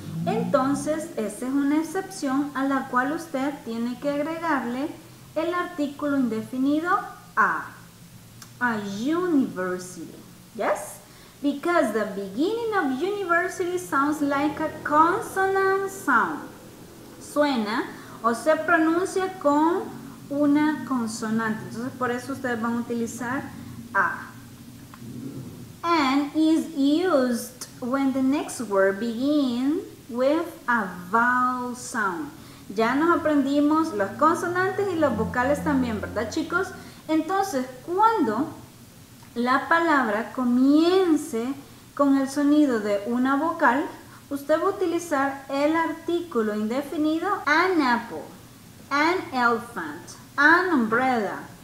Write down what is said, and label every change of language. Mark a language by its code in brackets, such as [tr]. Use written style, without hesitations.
[es] Entonces, esa es una excepción a la cual usted tiene que agregarle el artículo indefinido a. [en] A university. ¿Yes? Because the beginning of university sounds like a consonant sound. [es] Suena o se pronuncia con una consonante. Entonces, por eso ustedes van a utilizar a. [en] And is used when the next word begins with a vowel sound. [es] Ya nos aprendimos las consonantes y las vocales también, ¿verdad, chicos? Entonces, cuando la palabra comience con el sonido de una vocal, usted va a utilizar el artículo indefinido an apple, an elephant, an umbrella.